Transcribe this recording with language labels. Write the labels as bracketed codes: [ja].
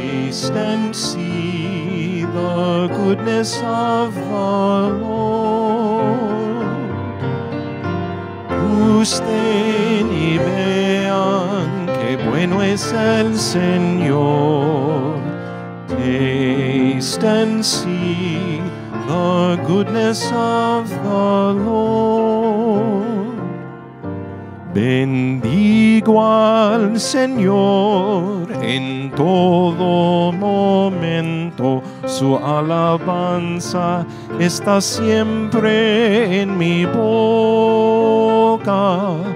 [en] Taste and see the goodness of the Lord. [es] Gusten y vean qué bueno es el Señor. [en] Taste and see the goodness of the Lord. [es] Bendigo al Señor en todo momento, su alabanza está siempre en mi boca.